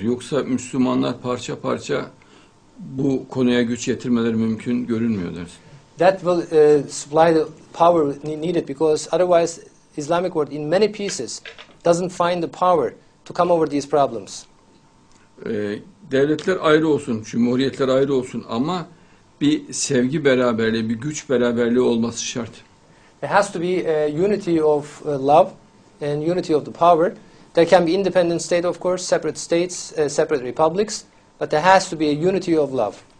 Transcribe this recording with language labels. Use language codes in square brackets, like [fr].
[tr] Yoksa Müslümanlar parça parça bu konuya güç getirmeleri mümkün görünmüyor deriz. [en] That will supply the power needed because otherwise Islamic world in many pieces doesn't find the power to come over these problems. [tr] Devletler ayrı olsun, cumhuriyetler ayrı olsun ama bir sevgi beraberliği, bir güç beraberliği olması şart. [en] There has to be a unity of love and unity of the power. There can be independent state of course, separate states, separate republics, but there has to be a unity of love.